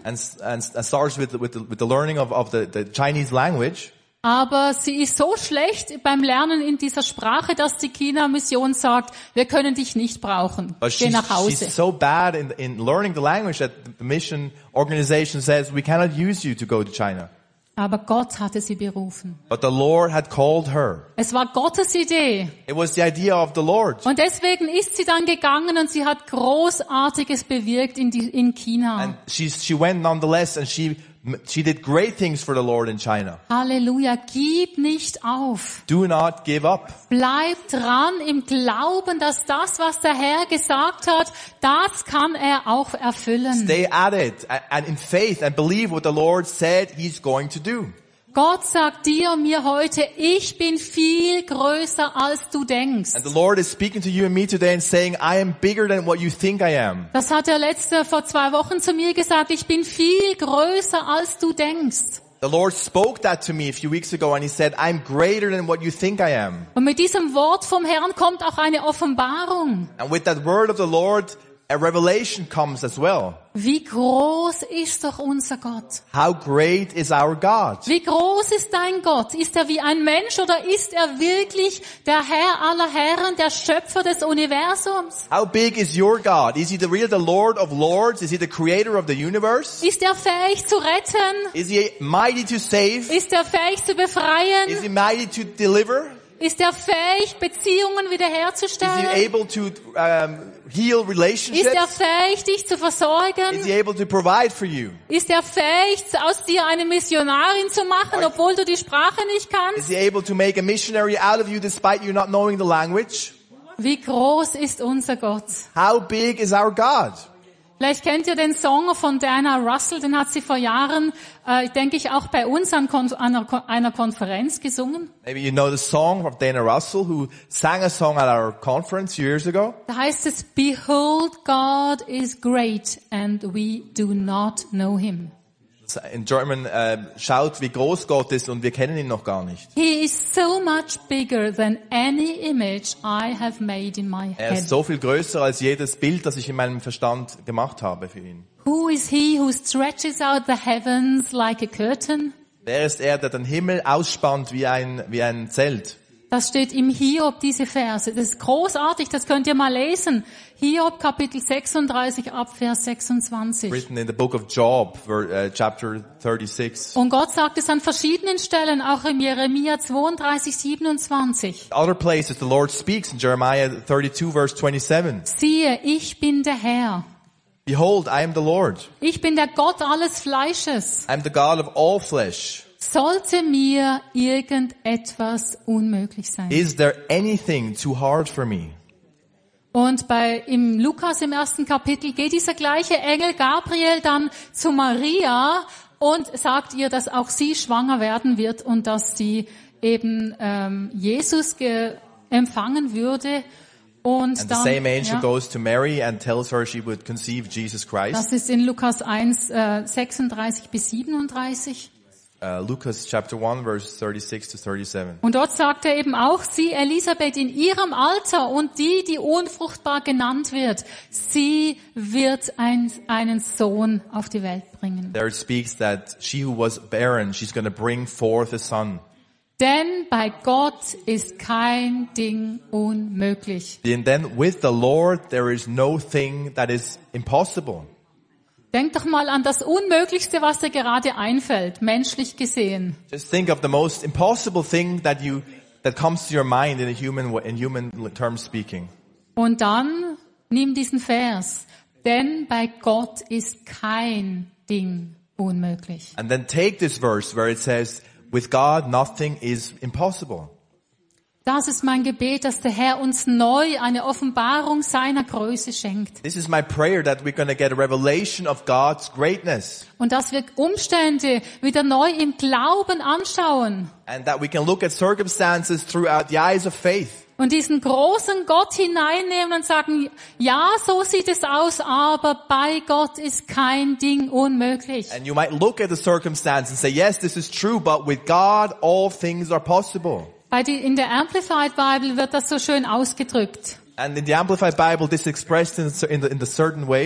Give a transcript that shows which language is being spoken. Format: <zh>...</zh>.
<en>And starts with the learning of the Chinese language.</en> <de>Aber sie ist so schlecht beim Lernen in dieser Sprache, dass die China-Mission sagt, wir können dich nicht brauchen. Geh nach Hause.</de> <en>She's so bad in learning the language that the mission organization says, we cannot use you to go to China.</en> <de>Aber Gott hatte sie berufen.</de> <en>But the Lord had called her.</en> <de>Es war Gottes Idee.</de> <en>It was the idea of the Lord.</en> <de>Und deswegen ist sie dann gegangen und sie hat Großartiges bewirkt in China.</de> <en>And she went nonetheless and she did great things for the Lord in China.</en> <de>Halleluja, gib nicht auf.</de> <en>Do not give up.</en> <de>Bleib dran im Glauben, dass das, was der Herr gesagt hat, das kann er auch erfüllen.</de> <en>Stay at it and in faith and believe what the Lord said he's going to do.</en> <de>Gott sagt dir und mir heute, ich bin viel größer als du denkst.</de> <en>And the Lord is speaking to you and me today and saying, I am bigger than what you think I am.</en> <de>Das hat er vor zwei Wochen zu mir gesagt, ich bin viel größer als du denkst.</de> <en>The Lord spoke that to me a few weeks ago and he said, I'm greater than what you think I am.</en> <de>Und mit diesem Wort vom Herrn kommt auch eine Offenbarung.</de> <en>And with that word of the Lord, a revelation comes as well.</en> <de>Wie groß ist doch unser Gott?</de> <en>How great is our God?</en> <de>Wie groß ist dein Gott? Ist er wie ein Mensch oder ist er wirklich der Herr aller Herren, der Schöpfer des Universums?</de> <en>How big is your God? Is he the real the Lord of Lords? Is he the creator of the universe?</en> <de>Ist er fähig zu retten?</de> <en>Is he mighty to save?</en> <de>Ist er fähig zu befreien?</de> <en>Is he mighty to deliver?</en> <de>Ist er fähig, Beziehungen wiederherzustellen?</de> <en>Is he able to heal relationships?</en> <de>Ist er fähig, dich zu versorgen?</de> <en>Is he able to provide for you?</en> <de>Ist er fähig, aus dir eine Missionarin zu machen, obwohl du die Sprache nicht kannst?</de> <en>Is he able to make a missionary out of you despite you not knowing the language?</en> <de>Wie groß ist unser Gott?</de> <en>How big is our God?</en> <de>Vielleicht kennt ihr den Song von Diana Russell, den hat sie vor Jahren, denke ich, auch bei uns an einer Konferenz gesungen.</de> <en>Maybe you know the song of Diana Russell, who sang a song at our conference years ago.</en> <de>Da heißt es,</de> <en>Behold, God is great and we do not know him. In German,</en> <de>schaut, wie groß Gott ist und wir kennen ihn noch gar nicht.</de> <en>He is so much bigger than any image I have made in my head.</en> <de>Er ist so viel größer als jedes Bild, das ich in meinem Verstand gemacht habe für ihn.</de> <en>Who is he who stretches out the heavens like a curtain?</en> <de>Wer ist er, der den Himmel ausspannt wie ein Zelt? Das steht im Hiob, diese Verse. Das ist großartig, das könnt ihr mal lesen. Hiob, Kapitel 36, Abvers 26.</de> <en>Written in the book of Job, chapter 36.</en> <de>Und Gott sagt es an verschiedenen Stellen, auch im Jeremia 32, 27.</de> <en>Other places the Lord speaks in Jeremiah 32, verse 27.</en> <de>Siehe, ich bin der Herr.</de> <en>Behold, I am the Lord.</en> <de>Ich bin der Gott alles Fleisches.</de> <en>I am the God of all flesh.</en> <de>Sollte mir irgendetwas unmöglich sein?</de> <en>Is there anything too hard for me?</en> <de>Und im Lukas im ersten Kapitel geht dieser gleiche Engel Gabriel dann zu Maria und sagt ihr, dass auch sie schwanger werden wird und dass sie eben Jesus empfangen würde. Und</de> <en>the same angel goes to Mary and tells her she would conceive Jesus Christ.</en> <de>Das ist in Lukas 1, 36 bis 37.</de> <en>Lukas chapter 1 verse 36 to 37.</en> <de>Und dort sagt er eben auch, sie Elisabeth in ihrem Alter und die unfruchtbar genannt wird, sie wird einen Sohn auf die Welt bringen.</de> <en>There it speaks that she who was barren, she's going to bring forth a son.</en> <de>Denn bei Gott ist kein Ding unmöglich.</de> <en>And then with the Lord there is no thing that is impossible.</en> <de>Denk doch mal an das Unmöglichste, was dir gerade einfällt, menschlich gesehen.</de> <en>Just think of the most impossible thing that comes to your mind in human terms speaking.</en> <de>Und dann nimm diesen Vers, denn bei Gott ist kein Ding unmöglich.</de> <en>And then take this verse where it says, with God nothing is impossible.</en> <de>Das ist mein Gebet, dass der Herr uns neu eine Offenbarung seiner Größe schenkt.</de> <en>This is my prayer that we're going to get a revelation of God's greatness.</en> <de>Und dass wir Umstände wieder neu im Glauben anschauen.</de> <en>And that we can look at circumstances throughout the eyes of faith.</en> <de>Und diesen großen Gott hineinnehmen und sagen, ja, so sieht es aus, aber bei Gott ist kein Ding unmöglich.</de> <en>And you might look at the circumstances and say, yes, this is true, but with God all things are possible.</en> <de>In der Amplified Bible wird das so schön ausgedrückt.</de> <en>And in the Amplified Bible, this expressed in the certain way.</en>